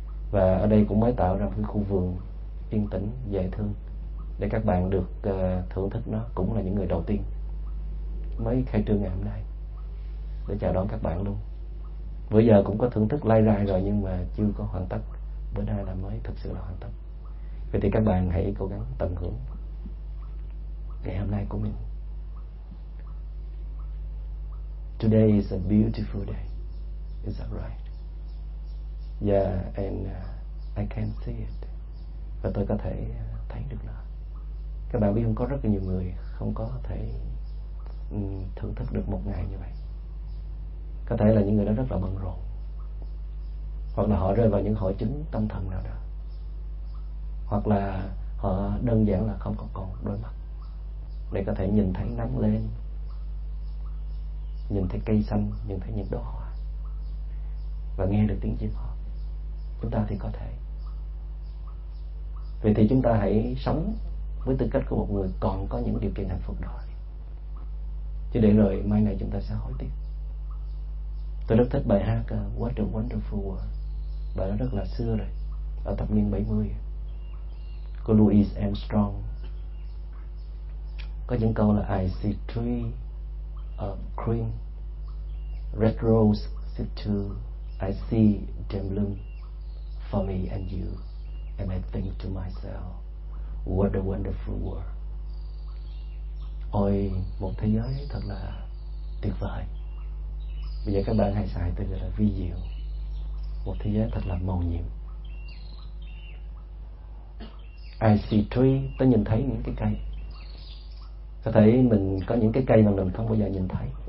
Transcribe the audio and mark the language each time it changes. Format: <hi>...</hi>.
<vi>Và ở đây cũng mới tạo ra một cái khu vườn yên tĩnh, dễ thương để các bạn được thưởng thức nó, cũng là những người đầu tiên mới khai trương ngày hôm nay để chào đón các bạn luôn. Bây giờ cũng có thưởng thức lai rai rồi nhưng mà chưa có hoàn tất, bữa nay là mới thực sự là hoàn tất. Vậy thì các bạn hãy cố gắng tận hưởng ngày hôm nay của mình.</vi> <en>Today is a beautiful day, is that right? Yeah, and I can see it.</en> <vi>Và tôi có thể thấy được nó. Các bạn biết không, có rất là nhiều người không có thể thưởng thức được một ngày như vậy. Có thể là những người đó rất là bận rộn, hoặc là họ rơi vào những hội chứng tâm thần nào đó, hoặc là họ đơn giản là không còn đôi mắt để có thể nhìn thấy nắng lên, nhìn thấy cây xanh, nhìn thấy những đóa hoa và nghe được tiếng chim hót. Chúng ta thì có thể. Vậy thì chúng ta hãy sống với tư cách của một người còn có những điều kiện hạnh phúc đó, chứ để rồi mai này chúng ta sẽ hối tiếc. Tôi rất thích bài hát What a Wonderful World, bài đó rất là xưa rồi, ở thập niên 70, của Louis Armstrong. Có những câu là</vi> <en>I see three of cream, red rose sit too, I see them bloom for me and you, and I think to myself, what a wonderful world.</en> <vi>Ôi, một thế giới thật là tuyệt vời. Bây giờ các bạn hãy xài từ là vi diệu, một thế giới thật là màu nhiệm.</vi> <en>I see tree,</en> <vi>tôi nhìn thấy những cái cây. Có thể mình có những cái cây mà mình không bao giờ nhìn thấy.</vi>